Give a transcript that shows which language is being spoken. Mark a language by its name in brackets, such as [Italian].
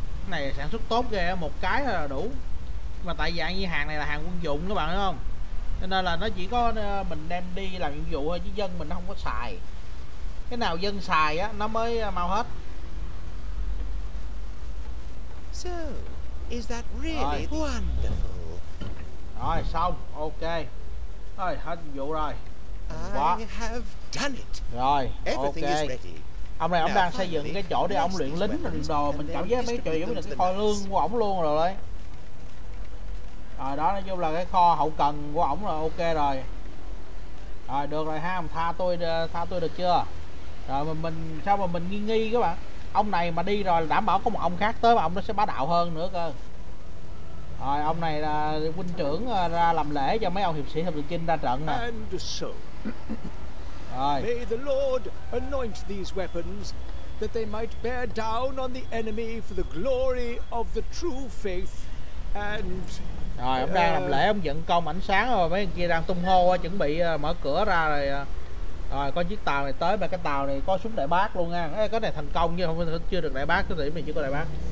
[Vietnamese] Cái này sản xuất tốt ghê, một cái là đủ. Mà tại dạng như hàng này là hàng quân dụng các bạn thấy không? Cho nên là nó chỉ có mình đem đi làm nhiệm vụ thôi chứ dân mình nó không có xài. Cái nào dân xài á nó mới mau hết. [English] So, is that really wonderful? [Vietnamese] Rồi xong, ok. Rồi hết nhiệm vụ rồi. Quá. [English] I have done it. [Vietnamese] Rồi, ok. Ông này ông đang xây dựng cái chỗ để ông luyện lính rồi đồ, mình cảm giác mấy chuyện giống như cái kho lương của ổng luôn rồi đấy. Rồi đó nói chung là cái kho hậu cần của ổng là ok rồi. Rồi được rồi ha, tha tôi được chưa? Rồi mình sao mà mình nghi nghi các bạn. Ông này mà đi rồi đảm bảo có một ông khác tới mà ông nó sẽ bá đạo hơn nữa cơ. Rồi ông này là huynh trưởng ra làm lễ cho mấy ông hiệp sĩ hiệp lực chinh ra trận nè. Rồi. [English] May the Lord anoint these weapons that they might bear down on the enemy for the glory of the true faith and. [Vietnamese] Rồi ông đang làm lễ ông dựng công ảnh sáng rồi mấy anh kia đang tung hô chuẩn bị mở cửa ra rồi. Rồi có chiếc tàu này tới mà cái tàu này có súng đại bác luôn nha. À. Cái này thành công nhưng không chưa được đại bác, cái gì mình chưa có đại bác.